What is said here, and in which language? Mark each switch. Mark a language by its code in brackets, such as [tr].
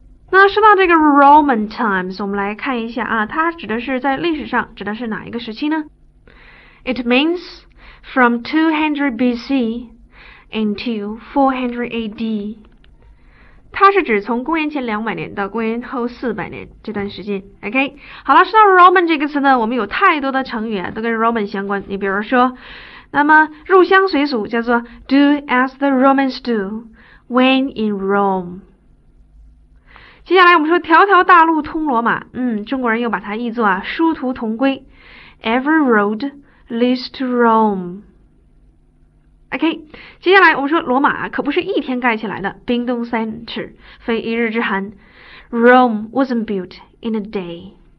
[zh] 那说到这个 Roman times， 我们来看一下啊，它指的是在历史上指的是哪一个时期呢 ？ [en] It means from 200 BC until 400 AD。 [zh] 它是指从公元前200年到公元后400年这段时间。 OK， 好了，说到 Roman 这个词呢，我们有太多的成语、都跟 Roman 相关。你比如说，那么入乡随俗叫做 [en] Do as the Romans do when in Rome。 [zh] 接下来我们说条条大路通罗马，中国人又把它译作啊殊途同归 ， [en] Every road leads to Rome。 [zh] OK， 接下来我们说罗马啊可不是一天盖起来的，冰冻三尺，非一日之寒 ， [en] Rome wasn't built in a day。